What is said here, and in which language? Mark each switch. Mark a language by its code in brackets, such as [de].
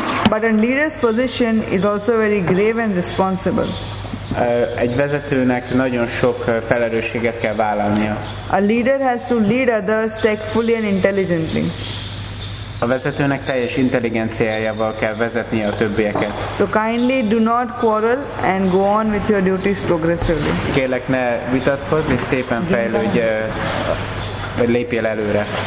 [en] But a leader's position is also very grave and responsible. [hu] Egy vezetőnek nagyon sok felelősséget kell vállalnia. [en] A leader has to lead others tactfully and intelligently. [hu] A vezetőnek teljes intelligenciájával kell vezetnie a többieket. [en] So kindly do not quarrel and go on with your duties progressively. [hu] Kérlek, ne vitatkozz, és szépen fejlődj, vagy lépjél előre.